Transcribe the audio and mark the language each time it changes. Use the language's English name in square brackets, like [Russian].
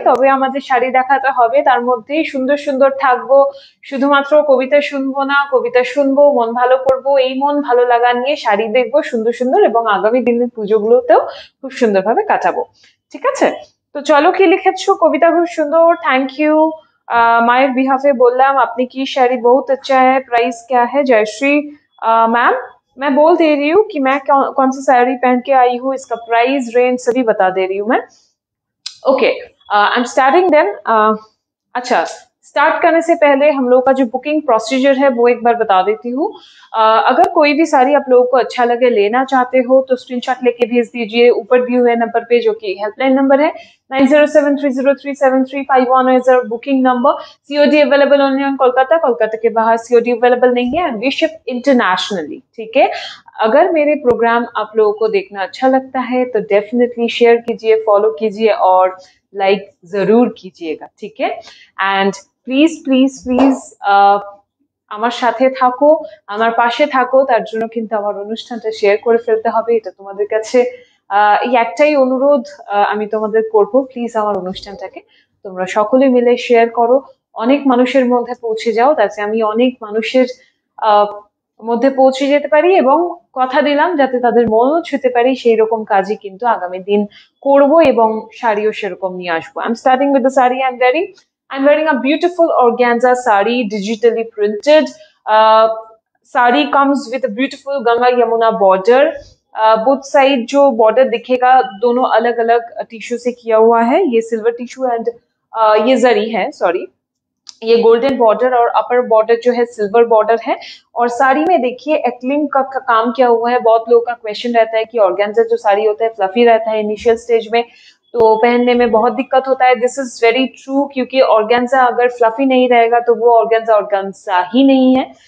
[Bangla] তবে আমাদের শাড়ি দেখাতে হবে, তার মধ্যেই সুন্দর সুন্দর থাকবো, শুধুমাত্র কবিতা শুনবো না, কবিতা শুনবো, মন ভালো করব, এই মন ভালো লাগা নিয়ে শাড়ি দেখবো সুন্দর সুন্দর, এবং আগামী দিনের পুজো গুলোতেও খুব সুন্দর ভাবে কাটাবো। ঠিক আছে, তো চলো, কি লিখেছো কবিতা খুব সুন্দর, থ্যাংক ইউ। মায়ের বিহাফে বললাম, [Hindi] আপনি কি শাড়ি বহুত আচ্ছা হ্যায়, প্রাইস ক্যা হ্যায়, জয়শ্রী ম্যাম, मैं बोल दे रही हूँ कि मैं कौन सा साड़ी पहन के आई हूँ, इसका प्राइस रेंज सभी बता दे रही हूँ मैं। [English] Okay, I am starting then. [Hindi] अच्छा, स्टार्ट करने से पहले हम लोग का जो बुकिंग प्रोसीजर है वो एक बार बता देती हूँ। अगर कोई भी साड़ी आप लोगों को अच्छा लगे, लेना चाहते हो, तो स्क्रीनशॉट लेके भेज दीजिए ऊपर दिए हुए नंबर पे, जो कि हेल्पलाइन नंबर है 9073037351 [English] Is our booking number. [Hindi] COD available only on Kolkata, Kolkata के बाहर सीओडी अवेलेबल नहीं है, [English] and we ship internationally, [Hindi] ठीक है। अगर मेरे प्रोग्राम आप लोगों को देखना अच्छा लगता है तो डेफिनेटली शेयर कीजिए, फॉलो कीजिए और लाइक जरूर कीजिएगा, ठीक है। [Bangla] एंड প্লিজ প্লিজ প্লিজ আমার সাথে থাকো, আমার পাশে থাকো, তার জন্য কিন্তু আমার অনুষ্ঠানটা শেয়ার করে ফেলতে হবে, এটা তোমাদের কাছে এই একটাই অনুরোধ আমি তোমাদের করব। প্লিজ আমার অনুষ্ঠানটাকে তোমরা সকলে মিলে শেয়ার করো, অনেক মানুষের মধ্যে পৌঁছে যাও, যাতে আমি অনেক মানুষের মধ্যে পৌঁছে যেতে পারি এবং কথা দিলাম যাতে তাদের মনও ছুঁতে পারি, সেই রকম কাজই কিন্তু আগামী দিন করব এবং শাড়িও সেরকম নিয়ে আসবো। [English] I am starting with the sari I am very I'm wearing a beautiful organza sari, digitally printed. Sari comes with a beautiful Ganga Yamuna border. [Hindi] Both side jo border dikhega, dono alag alag tissue se kiya hua hai. Ye silver tissue and ye zari hai, sorry. ये golden border और upper border जो है silver border है। और साड़ी में देखिए एक्लिंग का काम किया हुआ है। बहुत लोगों का क्वेश्चन रहता है कि ऑर्गेन्जा जो साड़ी होता है फ्लफी रहता है इनिशियल स्टेज में, तो पहनने में बहुत दिक्कत होता है। [English] this is very true, [Hindi] क्योंकि ऑर्गेन्जा अगर फ्लफी नहीं रहेगा तो वो ऑर्गेन्जा ही नहीं है।